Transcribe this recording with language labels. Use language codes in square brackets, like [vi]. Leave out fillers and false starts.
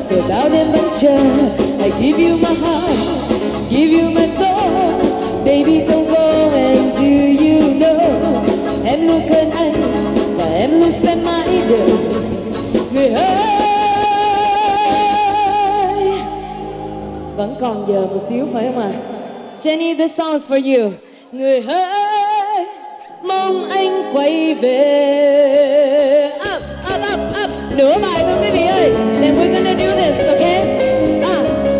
[en] I give you my heart, give you my soul, baby don't go. And do you know, [vi] em luôn cần anh và em luôn sẽ mãi đợi. Người ơi, vẫn còn giờ một xíu phải không ạ? [en] Jenny, this song's for you. [vi] Người ơi, mong anh quay về. [en] Up, up, up, up. [vi] Nửa bài thôi quý vị ơi. [en] Then we're gonna do this, okay?